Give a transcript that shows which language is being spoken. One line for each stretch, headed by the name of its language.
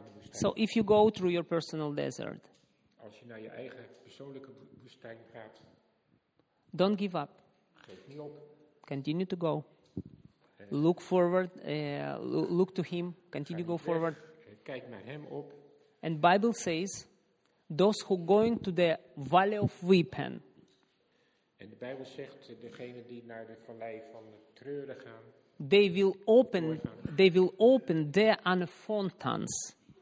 English: So if you go through your personal desert,
Dutch: als je naar je eigen persoonlijke woestijn gaat,
English: don't give up.
Dutch: Geef niet op.
English: Continue to go. Look forward. Look to him. Continue to go forward.
Dutch: Kijk naar hem op.
English: And Bible says, those who going to the valley of weeping.
Dutch: En de Bijbel zegt degene die naar de vallei van de treuren gaan.
English: They will open there and fountains.